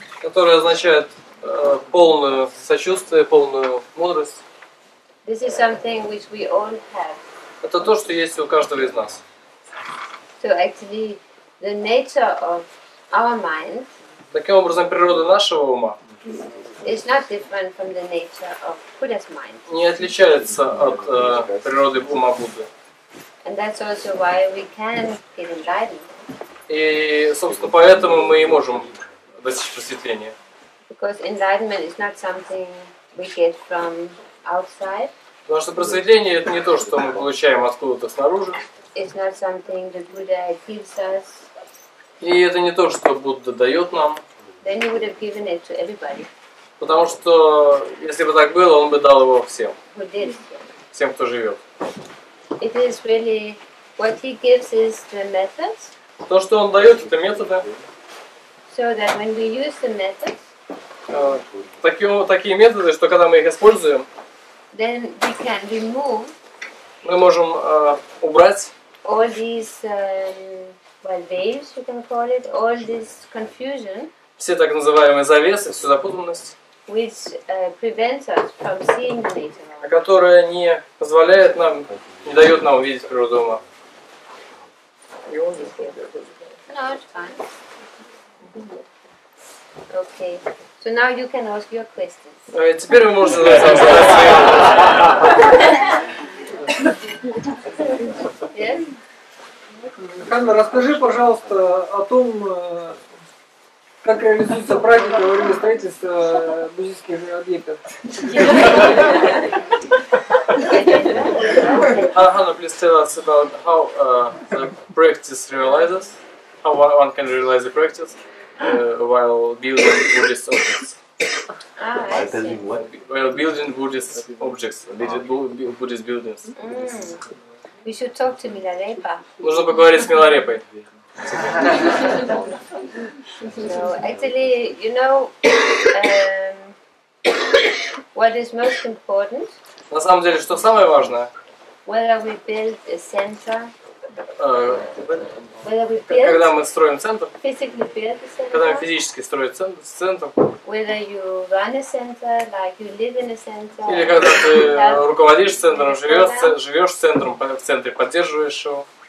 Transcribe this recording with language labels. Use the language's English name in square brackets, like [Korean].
[Russian] Которая означает полное сочувствие, полную мудрость. [English] This is something which we all have. [Russian] Это то, что есть у каждого из нас. [English] So actually, the nature of our mind. [Russian] Таким образом, природа нашего ума. [English] Is not different from the nature of Buddha's mind. [Russian] Не отличается от природы ума Будды. [English] And that's also why we can get enlightened. [Russian] И, собственно, поэтому мы и можем достичь просветления. [English] Because enlightenment is not something we get from outside. [Russian] Потому что просветление это не то, что мы получаем откуда-то снаружи. [English] It's not something the Buddha gives us. [Russian] И это не то, что Будда дает нам. [English] Then he would have given it to everybody. [Russian] Потому что если бы так было, он бы дал его всем. [English] Who did? [Russian] Всем, кто живет. [English] It is really what he gives is the methods. [Russian] То, что он дает, это методы. [English] So that when we use the methods. [Russian] Такие методы, что когда мы их используем, [English] then we can remove [Russian] мы можем убрать [English] all these waves, you can call it, all this confusion, [Russian] все так называемые завесы, всю запутанность, [English] which prevents us from seeing the nature of mind, [Russian] которая не позволяет нам, не дает нам увидеть природу ума. [English] So now you can ask your questions. [Russian] Теперь вы можете задать вопросы. [English] Yes? Yes. [Russian] Ханна, расскажи, пожалуйста, о том, как реализуются практики во время строительства буддийских объектов. [English] Ханна, please tell us about how the practice realizes, how one can realize the practice. While building Buddhist objects. While building Buddhist objects. Buddhist buildings. Mm. We should talk to Milarepa. [Russian] Нужно поговорить с Миларепой. [English] So, actually, you know, what is most important? [Russian] На самом деле, что самое важное? [English] Whether we build a center. [Russian] Когда мы строим центр, [English] center, [Russian] когда мы физически строим центр, или когда ты руководишь центром, живешь центром, в центре поддерживаешь его,